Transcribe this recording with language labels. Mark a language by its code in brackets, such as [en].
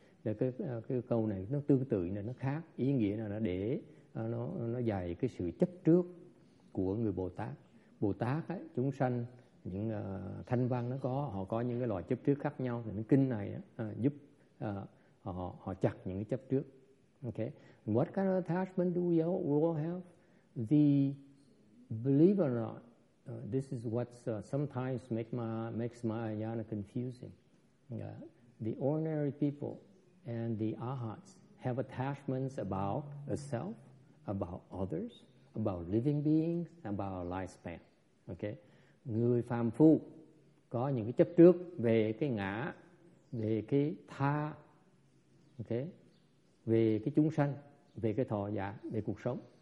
[vi] Là cái câu này nó tương tự nên nó khác. Ý nghĩa là nó dạy cái sự chấp trước của người Bồ Tát. Bồ Tát ấy, chúng sanh, những thanh văn nó có, họ có những cái loại chấp trước khác nhau. Thì cái kinh này giúp họ chặt những cái chấp trước. Okay. [en] What kind of attachment do we all have? The believe it or not, this is what sometimes makes Mahayana confusing. The ordinary people and the arhats have attachments about a self, about others, about living beings, about lifespan. Okay. [vi] Người phàm phu có những cái chấp trước về cái ngã, về cái tha. [en] Okay. [vi] Về cái chúng sanh, về cái thọ giả, về cuộc sống.